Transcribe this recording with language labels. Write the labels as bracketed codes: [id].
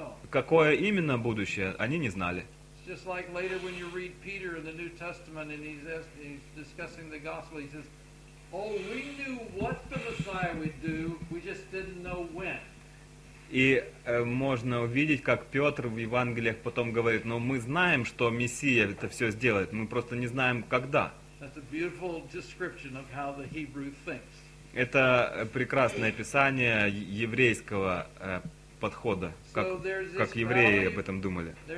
[ru] Какое именно будущее, они не знали. [en] Just like later when you read Peter in the New Testament and he's discussing the gospel, he says, "Oh, we knew what the Messiah would do, we just didn't know when." [ru] И можно увидеть, как Петр в Евангелиях потом говорит, но мы знаем, что Мессия это все сделает, мы просто не знаем, когда. [en] That's a beautiful description of how the Hebrew thinks. [ru] Это прекрасное описание еврейского подхода, как евреи об этом думали.